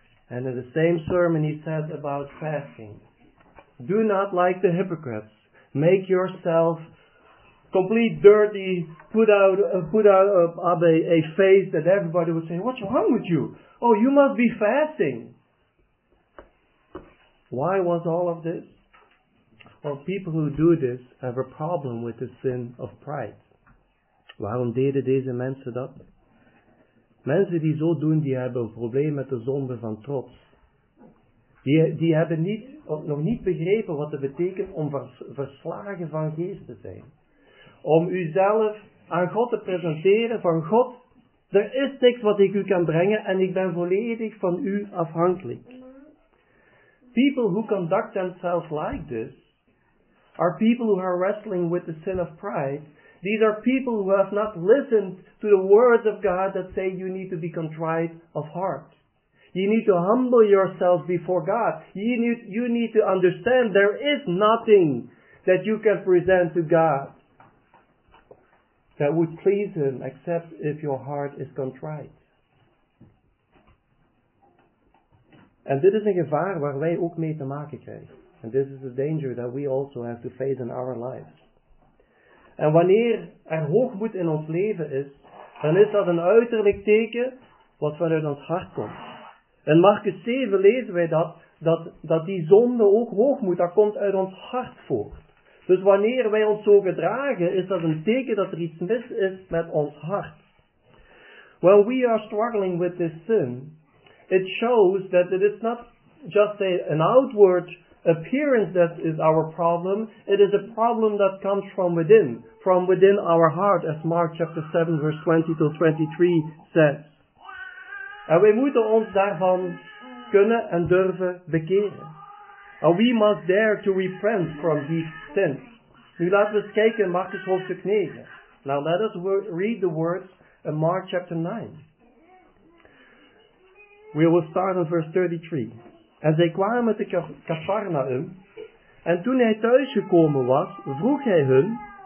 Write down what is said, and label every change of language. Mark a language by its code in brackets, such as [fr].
[en] And in the same sermon he said about fasting, do not like the hypocrites, make yourself complete dirty, put out a face that everybody would say, what's wrong with you? Oh, you must be fasting. Why was all of this? Well, people who do this have a problem with the sin of pride. [nl] Waarom deden deze mensen dat? Mensen die zo doen, die hebben een probleem met de zonde van trots. Die hebben nog niet begrepen wat het betekent om verslagen van geest te zijn. Om uzelf aan God te presenteren van God, er is niks wat ik u kan brengen en ik ben volledig van u afhankelijk. [en] People who conduct themselves like this are people who are wrestling with the sin of pride. These are people who have not listened to the words of God that say you need to be contrite of heart. You need to humble yourself before God. You need to understand there is nothing that you can present to God that would please Him except if your heart is contrite. [nl] En dit is een gevaar waar wij ook mee te maken krijgen. [en] And this is a danger that we also have to face in our lives. [nl] En wanneer er hoogmoed in ons leven is, dan is dat een uiterlijk teken wat vanuit ons hart komt. In Marcus 7 lezen wij dat die zonde ook hoogmoed, dat komt uit ons hart voort. Dus wanneer wij ons zo gedragen, is dat een teken dat er iets mis is met ons hart. [en] When we are struggling with this sin, it shows that it is not just an outward appearance that is our problem. It is a problem that comes from within our heart, as Mark chapter 7 verse 20-23 says. [nl] And we moeten ons daarvan kunnen en durven bekeren. [en] And we must dare to repent from these sins. [nl] Nu laten we eens kijken in Marcus hoofdstuk 9. [en] Now let us read the words in Mark chapter 9. We will start in verse 33. [nl] En zij kwamen te Kafarnaüm. En toen hij thuisgekomen was, vroeg hij hun,